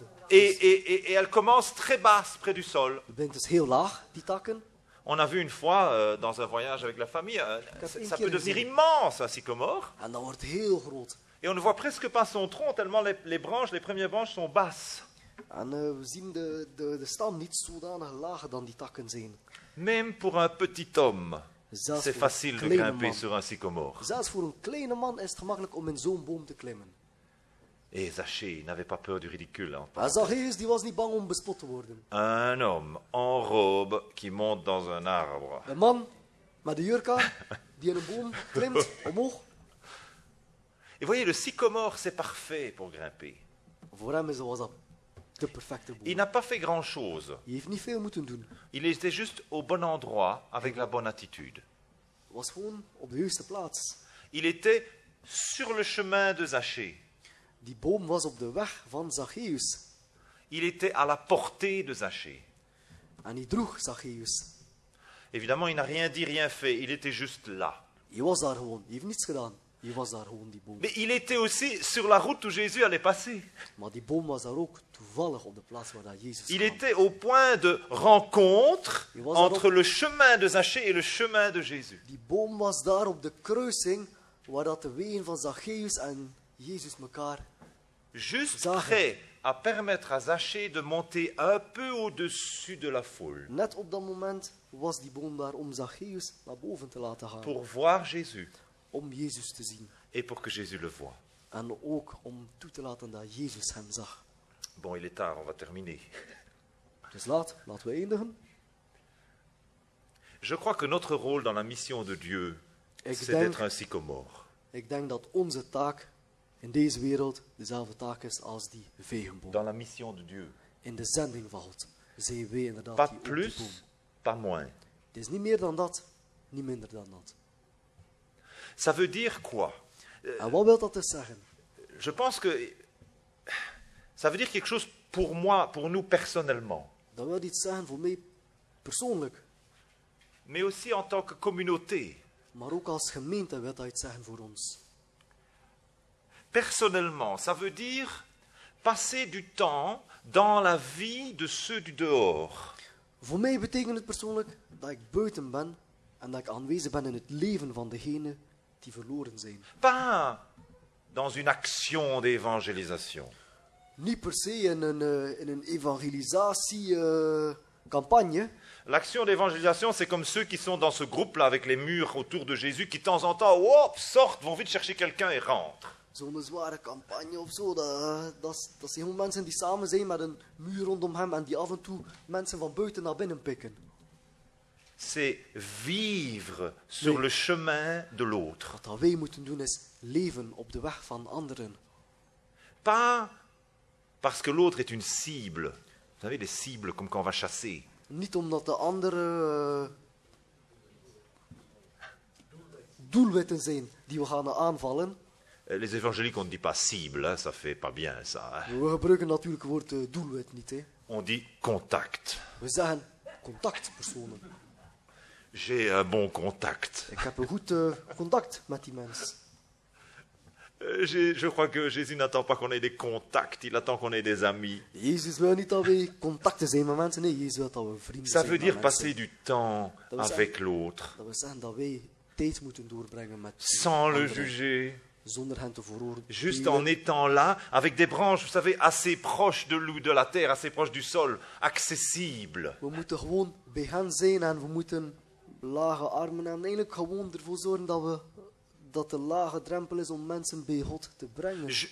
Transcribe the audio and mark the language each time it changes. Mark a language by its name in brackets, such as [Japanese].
[French] Et elle commence très basse près du sol. [Dutch] Dus heel laag, die takken. [French] On a vu une fois dans un voyage avec la famille, ça peut devenir immense un sycomore. [Dutch] En dat wordt heel groot. [French] Et on ne voit presque pas son tronc tellement les branches, les premières branches sont basses. [Dutch] En we zien de stam niet zodanig laag dan die takken zijn. [French] Même pour un petit homme, c'est facile de grimper sur un sycomore. [Dutch] Zelfs voor een kleine man is het gemakkelijk om in zo'n boom te klimmen. [French] Et Zachée n'avait pas peur du ridicule. [Dutch] Zachéus, die was niet bang om bespot te worden. [French] Un homme en robe qui monte dans un arbre. [Dutch] Een man met de jurk aan die in een boom klimt omhoog. [French] Et voyez, le sycomore, c'est parfait pour grimper. [Dutch] Voor hem was dat de perfecte boom. [French] Il n'a pas fait grand-chose. [Dutch] Il heeft niet veel moeten doen. [French] Il était juste au bon endroit avec la bonne attitude. [Dutch] Was gewoon op de juiste plaats. [French] Il était sur le chemin de Zachée. [Dutch] Die boom was op de weg van Zachéus. [French] Il était à la portée de Zachée. [Dutch] En hij droeg Zachéus. [French] Évidemment, il n'a rien dit, rien fait. Il était juste là. [Dutch] Hij was daar gewoon. Hij heeft niets gedaan. Hij was daar gewoon, die boom. [French] Mais il était aussi sur la route où Jésus allait passer. [Dutch] Maar die boom was daar ook toevallig op de plaats waar dat Jezus kwam. [French] Il était au point de rencontre entre le chemin de Zachée et le chemin de Jésus. [Dutch] Die boom was daar op de kruising waar dat de wegen van Zachéus en Jezus elkaar [French] juste prêt à permettre à Zachée de monter un peu au-dessus de la foule. [Dutch] Net op dat moment was die boom daar om Zachéus naar boven te laten gaan. [French] Pour voir Jésus. [Dutch] Om Jezus te zien. [French] Et pour que Jésus le voie. [Dutch] En ook om toe te laten dat Jezus hem zag. [French] Bon, il est tard, on va terminer. [Dutch] Dus laten we eindigen. [French] Je crois que notre rôle dans la mission de Dieu, c'est d'être un sycomore. [Dutch] Ik denk dat onze taak in deze wereld dezelfde taak is als die vegenboom. [French] Dans la mission de Dieu. [Dutch] In de zending van God zijn wij inderdaad [French] pas [Dutch] die [French] plus, [Dutch] boom. [French] Pas moins. [Dutch] Het is niet meer dan dat, niet minder dan dat. [French] Ça veut dire quoi? [Dutch] En wat wil dat dus zeggen? [French] Je pense que ça veut dire quelque chose pour moi, pour nous personnellement. [Dutch] Dat wil iets zeggen voor mij persoonlijk. [French] Mais aussi en tant que communauté. [Dutch] Maar ook als gemeente wil dat iets zeggen voor ons. [French] Personnellement, ça veut dire passer du temps dans la vie de ceux du dehors. [Dutch] Voor mij betekent het persoonlijk dat ik buiten ben en dat ik aanwezig ben in het leven van degenen die verloren zijn. [French] Pas dans une action d'évangélisation. [Dutch] Niet per se in een evangelisatiecampagne. [French] L'action d'évangélisation, c'est comme ceux qui sont dans ce groupe-là avec les murs autour de Jésus qui, de temps en temps, hop, sortent, vont vite chercher quelqu'un et rentrent. [Dutch] Zo'n zware campagne of zo, dat zijn gewoon mensen die samen zijn met een muur rondom hem en die af en toe mensen van buiten naar binnen pikken. [French] C'est vivre sur le chemin de l'autre. [Dutch] Wat wij moeten doen is leven op de weg van anderen. [French] Pas parce que l'autre est une cible. Vous savez, des cibles comme quand on va chasser. [Dutch] Niet omdat de anderen doelwitten zijn die we gaan aanvallen. [French] Les évangéliques, on ne dit pas cible, hein, ça fait pas bien ça. Hein. [Dutch] We gebruiken natuurlijk het woord doelwit niet. Hè. [French] On dit contact. [Dutch] We zeggen contactpersonen. [French] J'ai un bon contact. [Dutch] Ik heb een goed contact met die mens. [French] Je crois que Jésus n'attend pas qu'on ait des contacts, il attend qu'on ait des amis. [Dutch] Jezus wil niet dat we contacten zijn met mensen, nee, Jezus wil dat we vrienden zijn met mensen. [French] Ça veut dire passer du temps avec l'autre. [Dutch] Dat we zeggen dat wij tijd moeten doorbrengen met anderen. [French] Sans le juger. [Dutch] Zonder hen te veroordelen. [French] Juste en étant là, avec des branches, vous savez, assez proches de la terre, assez proches du sol, accessible. [Dutch] We moeten gewoon bij hen zijn en we moeten lage armen en eigenlijk gewoon ervoor zorgen dat de lage drempel is om mensen bij God te brengen.